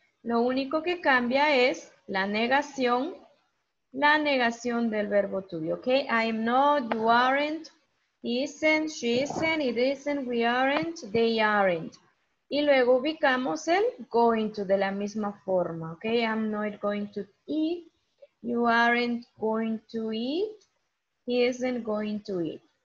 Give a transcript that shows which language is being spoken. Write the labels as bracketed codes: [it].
[es] Lo único que cambia es la negación del verbo to be. ¿Ok? [en] I am not, you aren't, isn't, she isn't, it isn't, we aren't, they aren't. [es] Y luego ubicamos el going to de la misma forma, ¿ok? [en] I'm not going to eat, you aren't going to eat, he isn't going to eat.